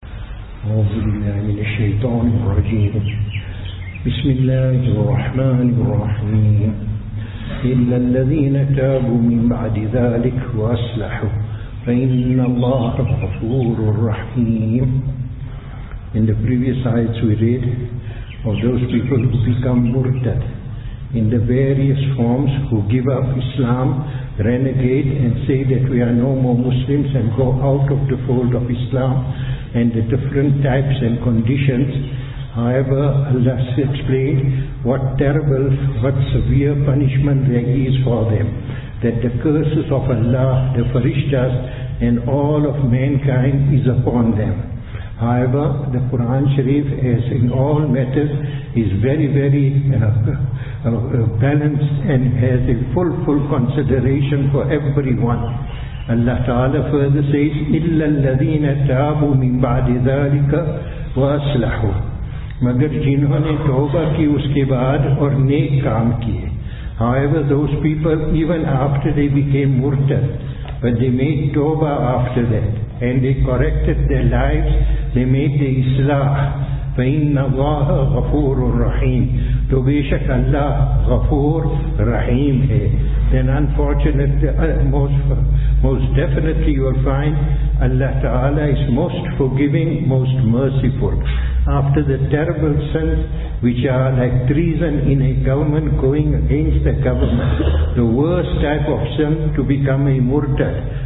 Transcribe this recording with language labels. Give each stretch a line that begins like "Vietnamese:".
Arabic: أعوذ بالله من الشيطان الرجيم. بسم الله الرحمن الرحيم. إلا الذين تابوا من بعد ذلك وأصلحوا فإن الله غفور رحيم.
English: In the previous ayats we read of those people who become murtad in the various forms, who give up Islam, renegade and say that we are no more Muslims and go out of the fold of Islam, and the different types and conditions. However, Allah explained what terrible, what severe punishment there is for them, that the curses of Allah, the Farishtas and all of mankind is upon them. However, the Quran Sharif, as in all matters, is very, very balanced and has a full consideration for everyone. Allah Ta'ala further says,
Arabic: إِلَّا الَّذِينَ تَعَبُوا مِن بَعْدِ ذَلِكَ وَأَسْلَحُوا.
Urdu: مگر جنہوں نے توبہ کی اس کے بعد اور نیک کام کیے.
English: However, those people, even after they became murtad, but they made توبہ after that, and they corrected their lives, they made the islah.
Arabic: فَإِنَّ اللَّهَ غَفُورٌ رَحِيمٌ.
Urdu: تو بے شک اللہ غفور رحیم ہے.
English: Then unfortunately, most definitely you will find Allah Ta'ala is most forgiving, most merciful. After the terrible sins, which are like treason in a government, going against the government, the worst type of sin to become a murtad.